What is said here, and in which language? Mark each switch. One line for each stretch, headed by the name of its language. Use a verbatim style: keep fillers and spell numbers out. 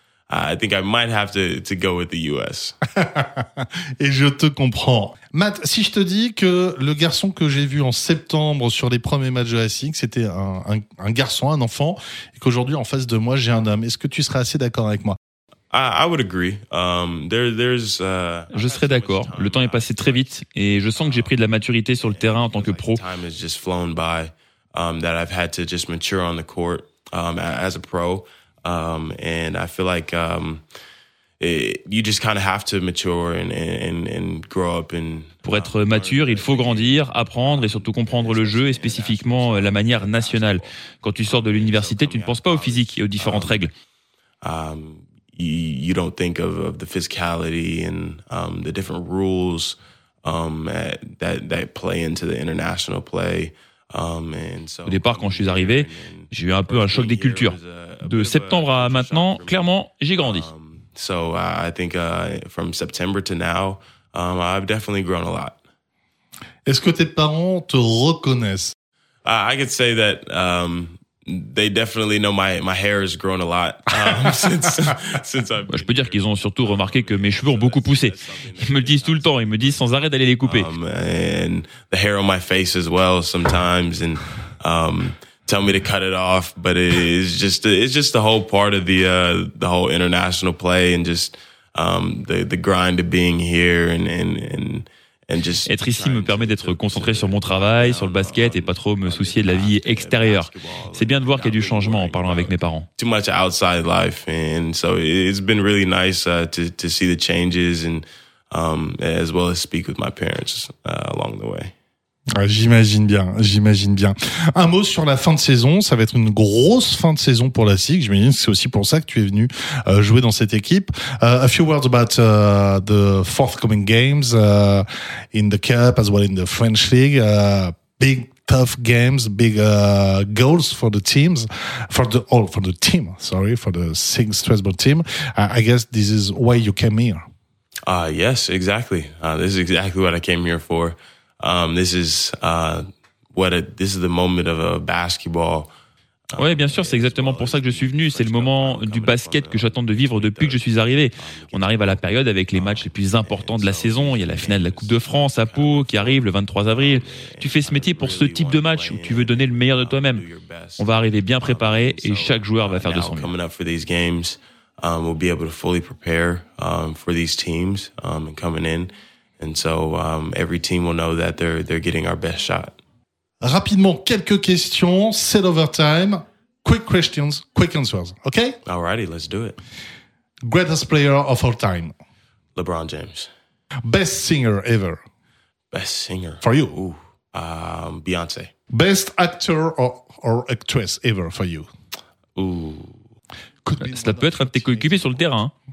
English: I think I might have to, to go with the U S.
French: Et je te comprends. Matt, si je te dis que le garçon que j'ai vu en septembre sur les premiers matchs de la S I X, c'était un, un, un garçon, un enfant, et qu'aujourd'hui, en face de moi, j'ai un homme, est-ce que tu serais assez d'accord avec moi?
English: I, I would agree. Um, there, there's, uh,
French: je serais d'accord. Le temps est passé très vite, et je sens que j'ai pris de la maturité sur le terrain en tant que pro.
English: Time has just flown by, um, that I've had to just mature on the court, um, as a pro. Um, and I feel like um, it, you just kind of have to mature and, and, and grow up. And,
French: Pour être mature, il faut grandir, apprendre et surtout comprendre le jeu et spécifiquement la manière nationale. Quand tu sors de l'université, tu ne penses pas au physique et aux différentes règles.
English: Um, you, you don't think of, of the physicality and um, the different rules um, that, that, that play into the international play.
French: Au départ, quand je suis arrivé, j'ai eu un peu un choc des cultures. De septembre à maintenant, clairement, j'ai grandi.
English: So I think from September to now, I've definitely grown a lot.
French: Est-ce que tes parents te reconnaissent?
English: I could say that um, they definitely know my my hair has grown a lot um, since since I've.
French: Je peux dire qu'ils ont surtout remarqué que mes cheveux ont beaucoup poussé. Ils me le disent tout le temps. Ils me disent sans arrêt d'aller les couper.
English: Um, and the hair on my face as well sometimes and. Um, tell me to cut it off, but it is just it's just the whole part of the uh, the whole international play and just um, the the grind of being here and and and, and just
French: être ici me permet d'être concentré sur mon travail, sur le basket et pas trop me soucier de la vie extérieure. C'est bien de voir qu'il y a du changement en parlant avec mes parents.
English: Too much outside life, and so it's been really nice uh, to to see the changes and um, as well as speak with my parents uh, along the way.
French: Ah, j'imagine bien, j'imagine bien. Un mot sur la fin de saison, ça va être une grosse fin de saison pour la S I C. J'imagine que c'est aussi pour ça que tu es venu euh, jouer dans cette équipe.
English: Uh, a few words about uh, the forthcoming games uh, in the Cup as well in the French League. Uh, big tough games, big uh, goals for the teams, for the all oh, for the team. Sorry, for the S I C Strasbourg team. Uh, I guess this is why you came here. Ah uh, yes, exactly. Uh, this is exactly what I came here for. Um, this is uh, what a, this is the moment of a basketball.
French: Ouais, bien sûr, c'est exactement pour ça que je suis venu. C'est le moment du basket que j'attends de vivre depuis que je suis arrivé. On arrive à la période avec les matchs les plus importants de la saison. Il y a la finale de la Coupe de France à Pau qui arrive le vingt-trois avril. Tu fais ce métier pour ce type de match où tu veux donner le meilleur de toi-même. On va arriver bien préparé et chaque joueur va faire de son mieux.
English: Coming up for these games, um, we'll be able to fully prepare um, for these teams um, and coming in. And so um, every team will know that they're they're getting our best shot.
French: Rapidement, quelques questions. C'est l'overtime.
English: Quick questions, quick answers. Okay? Alrighty, let's do it. Greatest player of all time. LeBron James. Best singer ever. Best singer for you. Ooh, um, Beyonce. Best actor or, or actress ever for you. Ooh.
French: Ça peut être un petit coéquipier sur le terrain.